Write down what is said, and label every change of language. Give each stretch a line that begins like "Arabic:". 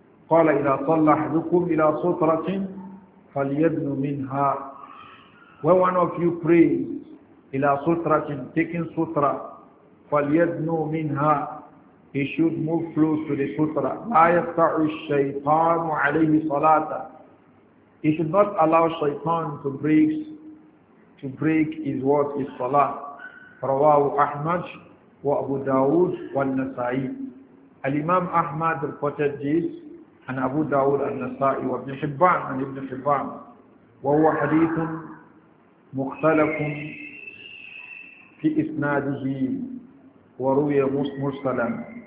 Arabic: قال إذا صلى أحدكم إلى سترة فليدنو منها.
English: When one of you prays
Arabic: إلى سترة,
English: taking سترة,
Arabic: فليدنو منها,
English: he should move close to the sutra.
Arabic: لَا يَفْتَعُ الشَّيْطَانُ عَلَيْهِ صَلَاتًا,
English: he should not allow shaitan to break his word, his salah.
Arabic: رواه أحمد وأبو داود والنسائي.
English: الإمام أحمد reported this, and أبو داود النسائي وابن حبان and ابن حبان.
Arabic: وهو حديث مختلف في إسناده وروي مرسلا.